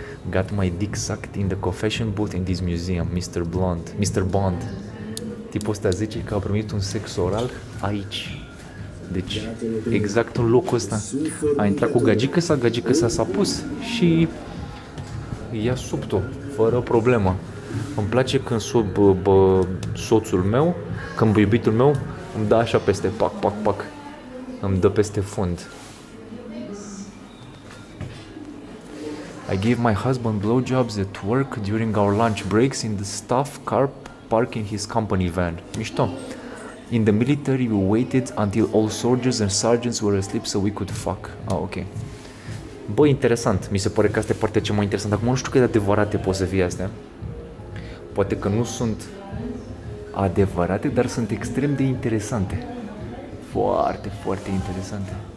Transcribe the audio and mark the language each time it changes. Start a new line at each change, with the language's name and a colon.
English: Got my dick sucked in the confession booth in this museum, Mr. Blonde. Mr. Bond.
Romanian: Tipul ăsta zice că a primit un sex oral aici. Deci, exact în locul ăsta. A intrat cu gagicăsa, gagicăsa s-a pus și ia subto, fără problemă. Îmi place când soțul meu, când iubitul meu, îmi dă așa peste, pac, pac, pac. Îmi dă peste fund.
English: I gave my husband blowjobs at work during our lunch breaks in the staff car park in his company van.
Romanian: Mișto.
English: In the military we waited until all soldiers and sergeants were asleep so we could fuck.
Romanian: Ah, ok. Bă, interesant. Mi se pare că asta e partea cea mai interesantă. Acum nu știu cât de adevărate pot să fie astea. Poate că nu sunt adevărate, dar sunt extrem de interesante. Foarte, foarte interesante.